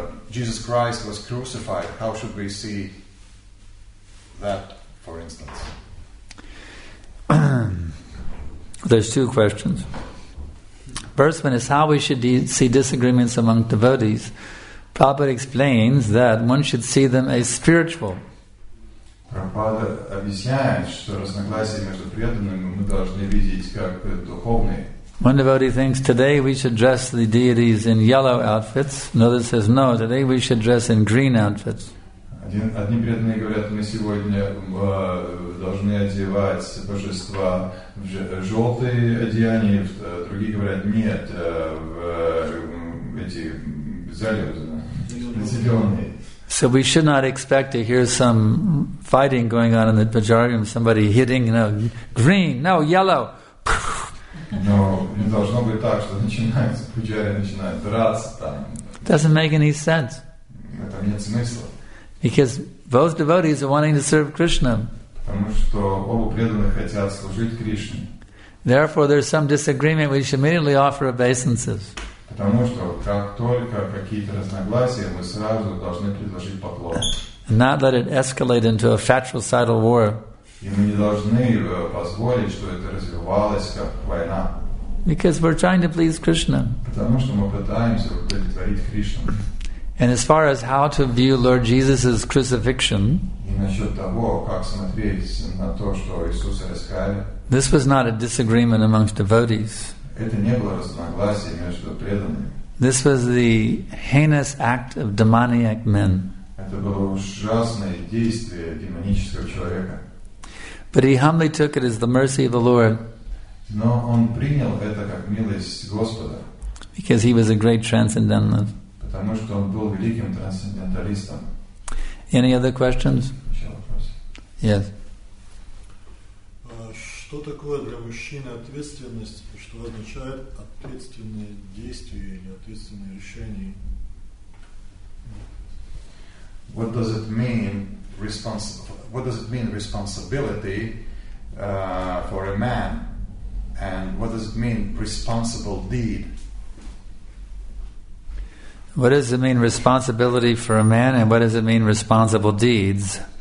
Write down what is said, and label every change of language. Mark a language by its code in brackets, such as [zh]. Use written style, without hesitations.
[en] Jesus Christ was crucified. How should we see that, for instance? There's two questions. First one is how we should see disagreements among devotees. Prabhupada explains that one should see them as spiritual. [ru] Prabhupada объясняет, что разногласия между преданными мы должны видеть как духовные. [en] One devotee thinks today we should dress the deities in yellow outfits. Another says no, today we should dress in green outfits. [ru] Одни преданные говорят, мы сегодня должны одевать божества в желтые одеяния. Другие говорят, нет, в эти зеленые. [en] So we should not expect to hear some fighting going on in the pajarium, somebody hitting, you know, green, no, yellow. [ru] Но не должно быть так, что начинается пуджари, начинает драться там. [en] Doesn't make any sense. [ru] Это нет смысла. [en] Because both devotees are wanting to serve Krishna. [ru] Потому что оба преданных хотят служить Кришне. [en] Therefore, there's some disagreement. We should immediately offer obeisances. [ru] Потому что как только какие-то разногласия, мы сразу должны предложить поклон. [en] And not let it escalate into a fratricidal war. [ru] И мы не должны позволить, что это развивалось как война. [en] Because we're trying to please Krishna. [ru] Потому что мы пытаемся удовлетворить Кришну. [en] And as far as how to view Lord Jesus' crucifixion, [ru] и насчет того, как смотреть на то, что Иисуса распяли, [en] this was not a disagreement amongst devotees. [ru] Это не было разногласие между преданными. [en] This was the heinous act of demoniac men. [ru] Это было ужасное действие демонического человека. [en] But he humbly took it as the mercy of the Lord. [ru] Но он принял это как милость Господа. [en] Because he was a great transcendentalist. [ru] Потому что он был великим трансценденталистом. [en] Any other questions? Yes. [ru] Что такое для мужчины ответственность и что означает ответственные действия или ответственные решения? [en] What does it mean? What does it mean responsibility for a man, and what does it mean responsible deed? What does it mean responsibility for a man, and what does it mean responsible deeds?